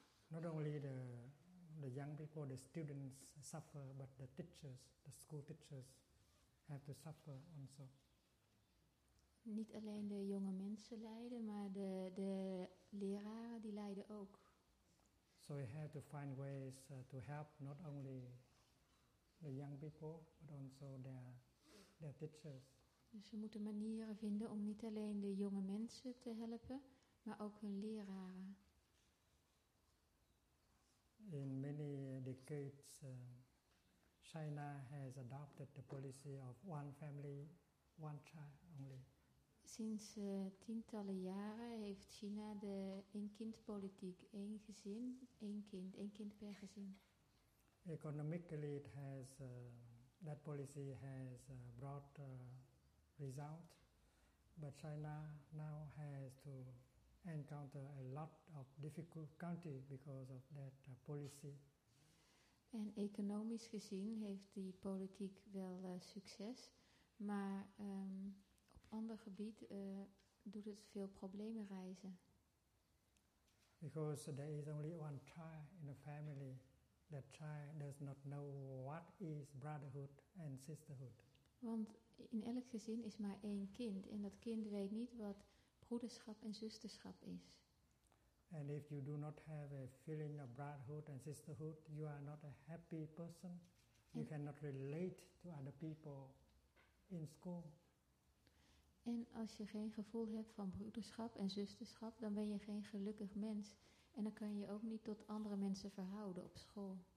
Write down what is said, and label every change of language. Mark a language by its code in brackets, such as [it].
[en] Not only the young people, the students suffer, but the teachers, the school teachers, have to suffer also. [nl] Niet alleen de jonge mensen lijden, maar de leraren die lijden ook. [en] So we have to find ways to help not only the young people, but also their teachers. [nl] Dus we moeten manieren vinden om niet alleen de jonge mensen te helpen, maar ook hun leraren. [en] In many decades, China has adopted the policy of one family, one child only. [nl] Sinds tientallen jaren heeft China de één-kind-politiek, één gezin, één kind per gezin. [en] Economically, it has that policy has brought result, but China now has to encounter a lot of difficult country because of that policy. [nl] En economisch gezien heeft die politiek wel succes, maar op ander gebied doet het veel problemen reizen. [en] Because there is only one child in a family, that child does not know what is brotherhood and sisterhood. [nl] Want in elk gezin is maar één kind en dat kind weet niet wat broederschap en zusterschap is. [en] And if you do not have a feeling of brotherhood and sisterhood, you are not a happy person. You cannot relate to other people in school. [nl] En als je geen gevoel hebt van broederschap en zusterschap, dan ben je geen gelukkig mens. En dan kan je ook niet tot andere mensen verhouden op school.